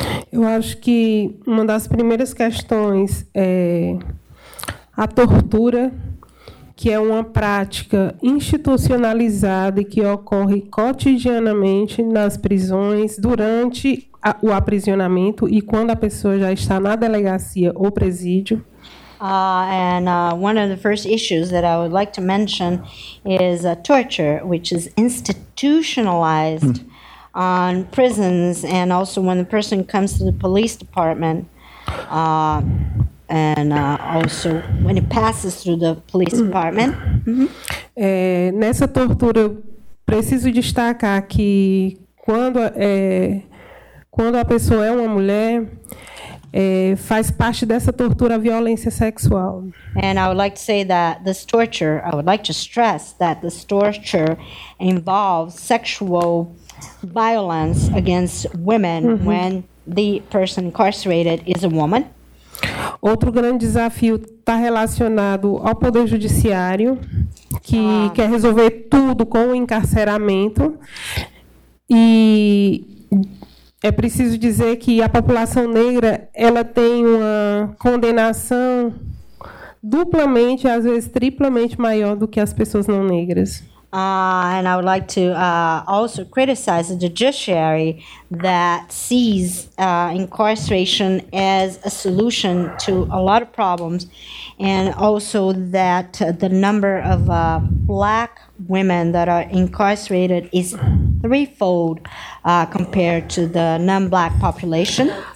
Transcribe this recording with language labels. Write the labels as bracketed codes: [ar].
[pt] Eu acho que uma das primeiras questões é a tortura, que é uma prática institucionalizada e que ocorre cotidianamente nas prisões durante o aprisionamento e quando a pessoa já está na delegacia ou presídio. [en] One of the first issues that I would like to mention is torture, which is institutionalized on prisons and also when the person comes to the police department also when it passes through the police department. [pt] Nessa tortura, preciso destacar que quando a pessoa é uma mulher, faz parte dessa tortura a violência sexual. [en] And I would like to say that this torture, I would like to stress that this torture involves sexual violence against women when the person incarcerated is a woman. [pt] Outro grande desafio está relacionado ao poder judiciário, que quer resolver tudo com o encarceramento. E é preciso dizer que a população negra, ela tem uma condenação duplamente, às vezes triplamente maior do que as pessoas não negras. [en] And I would like to also criticize the judiciary that sees incarceration as a solution to a lot of problems, and also that the number of black women that are incarcerated is threefold compared to the non-black population.